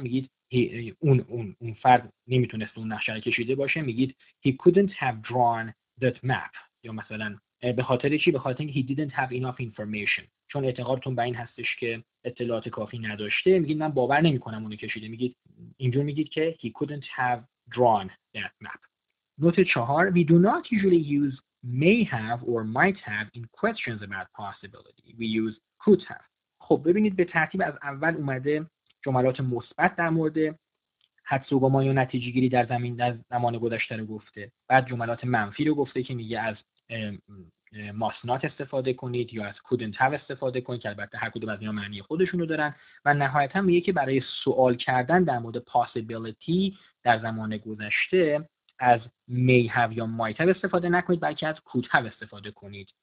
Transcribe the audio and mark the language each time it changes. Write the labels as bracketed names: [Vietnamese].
[Persian] میگید اون فرد نمیتونست اون نقشه رو کشیده باشه. میگید [English] he couldn't have drawn that map. [Persian] یا مثلا به خاطر چی؟ به خاطر اینکه [English] he didn't have enough information، [Persian] چون اعتقادتون به این هستش که اطلاعات کافی نداشته. میگید من باور نمی کنم اونو کشیده. میگید اینجور میگید که [English] he couldn't have drawn that map. [Persian] نوت چهار، [English] we do not usually use may have or might have in questions about possibility. We use could have. [Persian] خب ببینید به ترتیب از اول اومده جملات مثبت در مورد حدس و گمان و نتیجه گیری در زمین در زمان گذشته رو گفته، بعد جملات منفی رو گفته که میگه از must not استفاده کنید یا از couldn't have استفاده کنید، که البته هر کدوم از اینا معنی خودشون رو دارن، و نهایتا میگه که برای سوال کردن در مورد possibility در زمان گذشته از may have یا might have استفاده نکنید، بلکه از could have استفاده کنید.